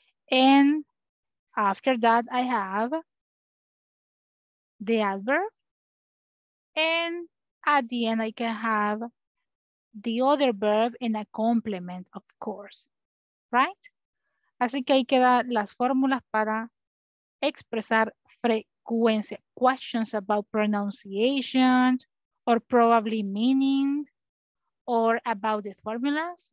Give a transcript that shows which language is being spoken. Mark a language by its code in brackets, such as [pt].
[en] And after that, I have the adverb, and at the end I can have the other verb in a complement, of course, right? [es] Así que ahí quedan las fórmulas para expresar frecuencia. [en] Questions about pronunciation, or probably meaning, or about the formulas.